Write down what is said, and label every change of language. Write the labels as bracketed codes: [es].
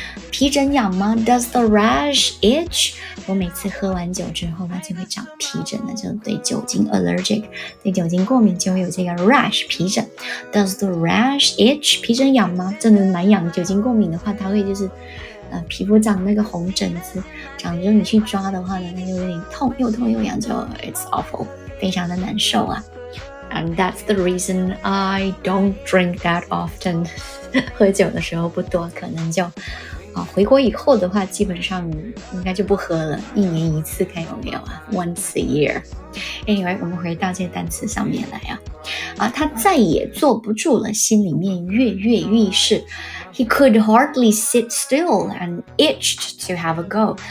[zh] 皮疹痒吗 ？ [en] Does the rash itch？ [zh] 我每次喝完酒之后，它就会长皮疹的，就对酒精 allergic， 对酒精过敏，就会有这个 rash 皮疹。 [en] Does the rash itch？ [zh] 皮疹痒吗？真的蛮痒，酒精过敏的话，它会就是，皮肤长那个红疹子，长着你去抓的话呢，它就有点痛，又痛又痒，就 [en] it's awful， [zh] 非常的难受啊。 [en] And that's the reason I don't drink that often 。 [zh] 喝酒的时候不多，可能就。回国以后的话基本上应该就不喝了，一年一次看有没有啊， [en] once a year。 [zh] Anyway， 我们回到这单词上面来啊。他再也坐不住了，心里面跃跃欲试。 [en] He could hardly sit still and itched to have a go.